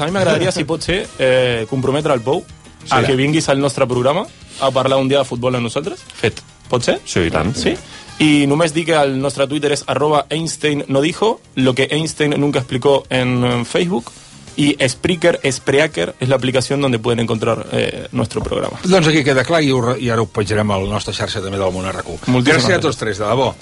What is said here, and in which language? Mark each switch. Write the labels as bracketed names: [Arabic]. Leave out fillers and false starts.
[Catalan] A mi m'agradaria, si pot ser, comprometre el Pou a que vinguis al nostre programa a parlar un dia de futbol amb nosaltres. Fet. Pot ser? Sí, i tant. Sí? [Spanish] Y [Catalan] només di que el nostre Twitter és [Spanish] @EinsteinNoDijo, lo que Einstein nunca explicó en Facebook, y Spreaker es la aplicación donde pueden encontrar nuestro programa. [Catalan] Doncs aquí queda clar i ara ho penjarem a la nostra xarxa també del Món RQ. Gràcies a tots tres, de debò.